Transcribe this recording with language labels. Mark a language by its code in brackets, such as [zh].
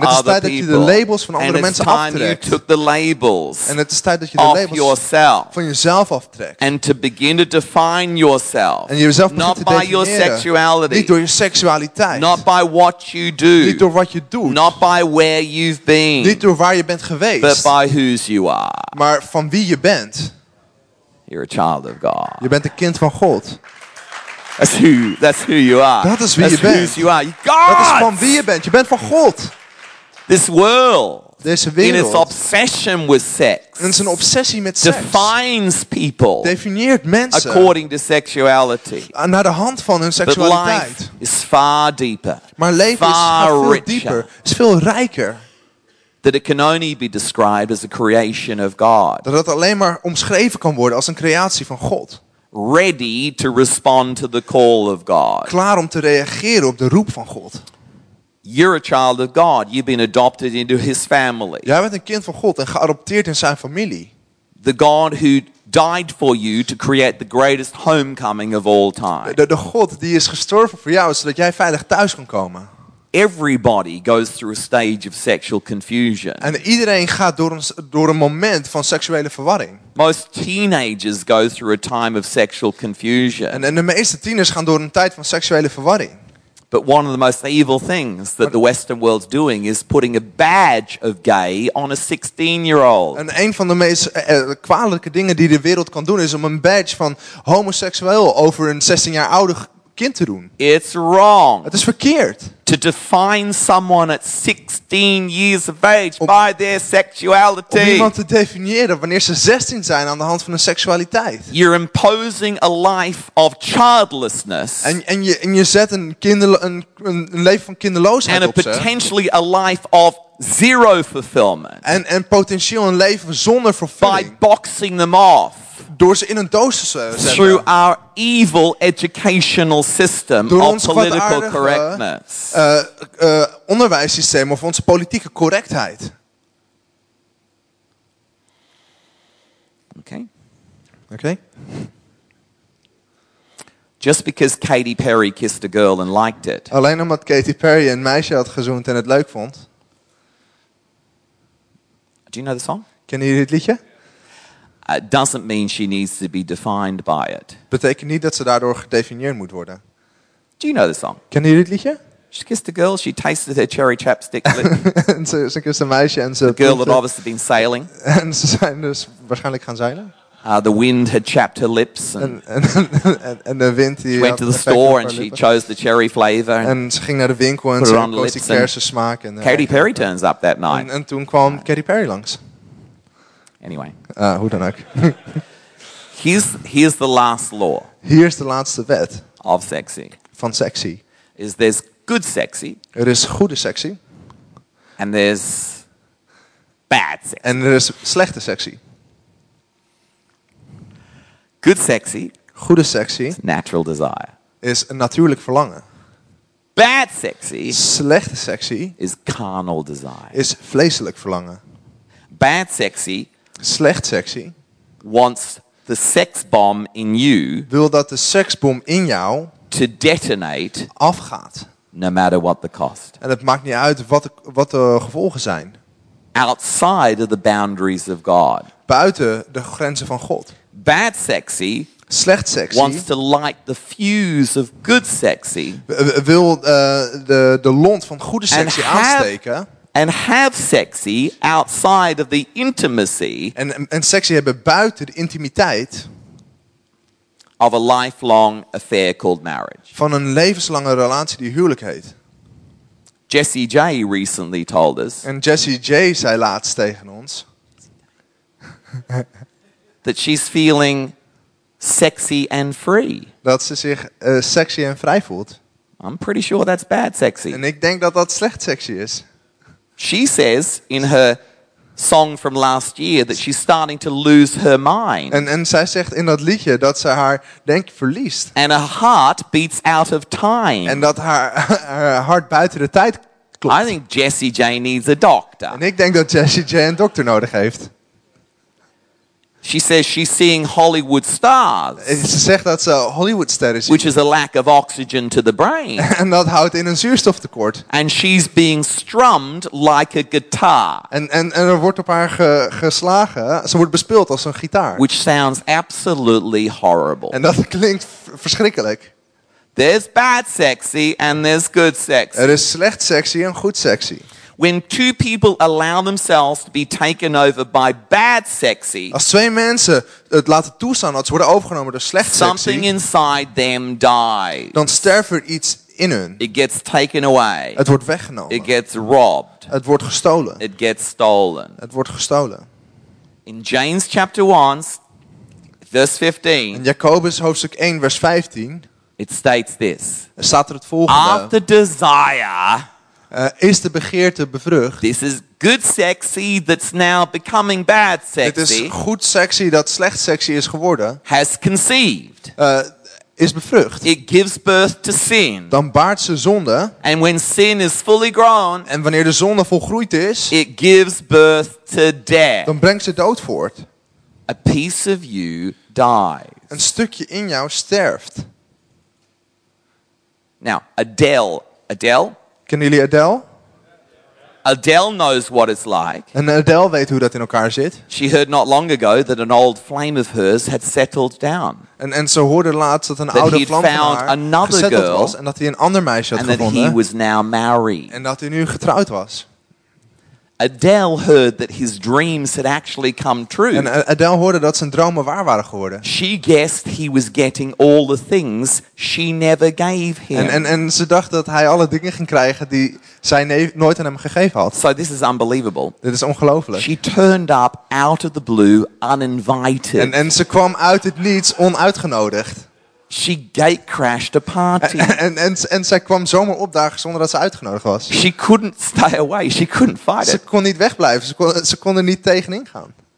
[en] other people. [nl] En het is tijd dat je de labels van andere mensen aftrekt. [en] And it's time you took the labels. [nl] En het is tijd dat je de labels [en] yourself. [nl] Van jezelf aftrekt. [en] And to begin to define yourself. [nl] En jezelf begint te definiëren. [en] Your sexuality. [nl] Niet door je seksualiteit. [en] Not by what you do. [nl] Niet door wat je doet. [en] Not by where you've been. [nl] Niet door waar je bent geweest. [en] But by whose you are. [nl] Maar van wie je bent. [en] You're a child of God. [nl] Je bent een kind van God. [en] That's who you are. [nl] Dat is wie [en] that's [nl] je bent. [en] Who's you are. God! [nl] Dat is van wie je bent. Je bent van God. [en] This world. [nl] Deze wereld. [en] In its obsession with sex. [nl] En zijn obsessie met [en] defines [nl] seks. [en] People. [nl] Definieert mensen. [en] According to sexuality. [nl] Naar de hand van hun seksualiteit. [en] But life is far deeper. [nl] Maar leven [en] far [nl] is veel [en] richer. [nl] Dieper. Is veel rijker. [en] That it can only be described as a creation of God. [nl] Dat het alleen maar omschreven kan worden als een creatie van God. [en] Ready to respond to the call of God. [nl] Klaar om te reageren op de roep van God. [en] You're a child of God. You've been adopted into His family. [nl] Jij bent een kind van God en geadopteerd in zijn familie. [en] The God who died for you to create the greatest homecoming of all time. [nl] De God die is gestorven voor jou zodat jij veilig thuis kan komen. [en] Everybody goes through a stage of sexual confusion. [nl] En iedereen gaat door een moment van seksuele verwarring. [en] Most teenagers go through a time of sexual confusion. [nl] En de meeste tieners gaan door een tijd van seksuele verwarring. [en] But one of the most evil things that the Western world's doing is putting a badge of gay on a 16-year-old. [nl] En een van de meest kwalijke dingen die de wereld kan doen is om een badge van homoseksueel over een 16 jaar oude kind te doen. [en] It's wrong. [nl] Het is verkeerd. [en] To define someone at 16 years of age by their sexuality. [nl] Om iemand te definiëren wanneer ze 16 zijn aan de hand van hun seksualiteit. [en] You're imposing a life of childlessness. [nl] En je zet een leven van kinderloosheid op ze. [en] And potentially a life of zero fulfillment. [nl] En potentieel een leven zonder vervulling. [en] By boxing them off. [nl] Door ze in een doos te zetten. [en] Through our evil educational system of political correctness. [nl] Onderwijssysteem of onze politieke correctheid. [en] Okay. Just because Katy Perry kissed a girl and liked it. [nl] Alleen omdat Katy Perry een meisje had gezoend en het leuk vond. [en] Do you know the song? [nl] Ken je dit liedje? [en] It doesn't mean she needs to be defined by it. [nl] Betekent niet dat ze daardoor gedefinieerd moet worden. [en] Do you know the song? [nl] Ken je dit liedje? [en] She kissed a girl, she tasted her cherry chapstick. [nl] En ze kiste een meisje en ze... [en] The girl had obviously been sailing. [nl] En ze zijn dus waarschijnlijk gaan zeilen. [en] The wind had chapped her lips. [nl] En de wind die... [en] She went to the store and she chose the cherry flavor. [nl] En ze ging naar de winkel en ze koos die kersen smaak. [en] Katy Perry turns up that night. [nl] En toen kwam Katy Perry langs. [en] Anyway. [nl] Hoe dan ook. [en] here's the last law. Here's the [nl] laatste wet. [en] Of sexy. [nl] Van sexy. [en] Is there's good sexy. [nl] Er is goede sexy. [en] And there's bad sexy. [nl] En er is slechte sexy. [en] Good sexy. [nl] Goede sexy. [en] Natural desire. [nl] Is een natuurlijk verlangen. [en] Bad sexy. [nl] Slechte sexy. [en] Is carnal desire. [nl] Is vleeselijk verlangen. [en] Bad sexy. [nl] Slecht sexy. [en] Wants the sex bomb in you. [nl] Wil dat de seksbom in jou. [en] To detonate. [nl] Afgaat. [en] No matter what the cost. [nl] En het maakt niet uit wat de gevolgen zijn. [en] Outside of the boundaries of God. [nl] Buiten de grenzen van God. [en] Bad sexy. [nl] Slecht sexy. [en] Wants to light the fuse of good sexy. [nl] Wil de lont van goede sexy aansteken. [en] And have sexy outside of the intimacy. [nl] En sexy hebben buiten de intimiteit. [en] Of a lifelong affair called marriage. [nl] Van een levenslange relatie die huwelijk heet. [en] Jesse J recently told us. [nl] En Jesse J zei laatst tegen ons. [en] That she's feeling sexy and free. [nl] Dat ze zich sexy en vrij voelt. [en] I'm pretty sure that's bad sexy. [nl] En ik denk dat slecht sexy is. [en] She says in her song from last year that she's starting to lose her mind. [nl] En zij zegt in dat liedje dat ze haar denk verliest. [en] And her heart beats out of time. [nl] En dat haar hart buiten de tijd klopt. [en] I think Jessie J needs a doctor. [nl] En ik denk dat Jessie J een dokter nodig heeft. [en] She says she's seeing Hollywood stars. [nl] En ze zegt dat ze Hollywood sterren ziet. [en] Which is a lack of oxygen to the brain. [nl] En dat houdt in een zuurstoftekort. [en] And she's being strummed like a guitar. [nl] En er wordt op haar geslagen. Ze wordt bespeeld als een gitaar. [en] Which sounds absolutely horrible. [nl] En dat klinkt verschrikkelijk. [en] There's bad sexy and there's good sexy. [nl] Er is slecht sexy en goed sexy. [en] When two people allow themselves to be taken over by bad sexy. [nl] Als twee mensen het laten toestaan dat ze worden overgenomen door slecht sexy. [en] Something inside them dies. [nl] Dan sterft er iets in hun. [en] It gets taken away. [nl] Het wordt weggenomen. [en] It gets robbed. [nl] Het wordt gestolen. [en] It gets stolen. [nl] Het wordt gestolen. [en] In James chapter 1 verse 15. [nl] In Jacobus hoofdstuk 1 vers 15. [en] It states this. [nl] Er staat het volgende. [en] After desire. [nl] Is de begeerte bevrucht? [en] This is good sexy that's now becoming bad sexy. [nl] Het is goed sexy dat slecht sexy is geworden. [en] Has conceived. [nl] Is bevrucht. [en] It gives birth to sin. [nl] Dan baart ze zonde. [en] And when sin is fully grown. [nl] En wanneer de zonde volgroeid is. [en] It gives birth to death. [nl] Dan brengt ze dood voort. [en] a piece of you dies. [nl] Een stukje in jou sterft. [en] Now, Adele. Adele? [nl] Kennen jullie Adele? [en] Adele knows what it's like. [nl] En Adele weet hoe dat in elkaar zit. [en] She heard not long ago that an old flame of hers had settled down. [nl] En ze hoorde laatst dat een oude vlam van haar gezetteld [en] girl, [nl] was en dat hij een ander meisje had gevonden. [en] And that he was now married. [nl] En dat hij nu getrouwd was. [en] Adele heard that his dreams had actually come true. [nl] En Adele hoorde dat zijn dromen waar waren geworden. [en] She guessed he was getting all the things she never gave him. [nl] En ze dacht dat hij alle dingen ging krijgen die zij nooit aan hem gegeven had. [en] So this is unbelievable. [nl] Dit is ongelooflijk. [en] She turned up out of the blue, uninvited. [nl] En ze kwam uit het niets, onuitgenodigd. [en] She gatecrashed a party. [nl] En zij kwam zomaar opdagen zonder dat ze uitgenodigd was. [en] She couldn't stay away. She couldn't fight it. [nl] Ze kon niet wegblijven. Ze kon er niet tegenin gaan.